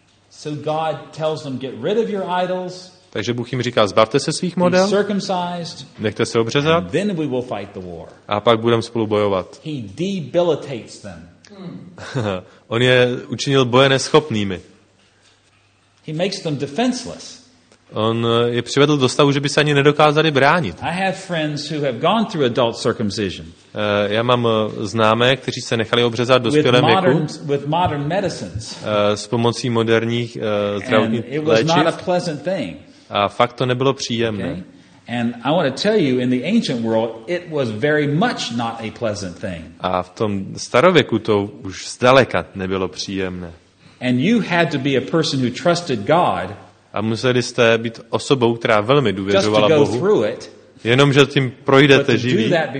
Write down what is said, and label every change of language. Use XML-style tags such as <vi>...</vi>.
<en>So God tells them, get rid of your idols.</en> <cs>Takže Bůh jim říká, zbavte se svých model, nechte se obřezat,</cs> <en>then we will fight the war.</en> <cs>A pak budeme spolu bojovat.</cs> <en>He debilitates them.</en> <cs>On je učinil boje neschopnými.</cs> <en>He makes them defenseless.</en> <cs>On je přivedl do stavu, že by se ani nedokázali bránit.</cs> <en>I have friends who have gone through adult circumcision.</en> <cs>Já mám známé, kteří se nechali obřezat v dospělém věku.</cs> <en>With modern medicines.</en> <cs>S pomocí moderních zdravotních léčiv.</cs> <en>And it was not a pleasant thing.</en> <cs>A fakt to nebylo příjemné.</cs> <en>Okay? And I want to tell you, in the ancient world, it was very much not a pleasant thing.</en> <cs>A v tom starověku to už zdaleka nebylo příjemné.</cs> <en>And you had to be a person who trusted God.</en> <cs>A museli jste být osobou, která velmi důvěřovala Bohu. Jenomže tím projdete živí.</cs>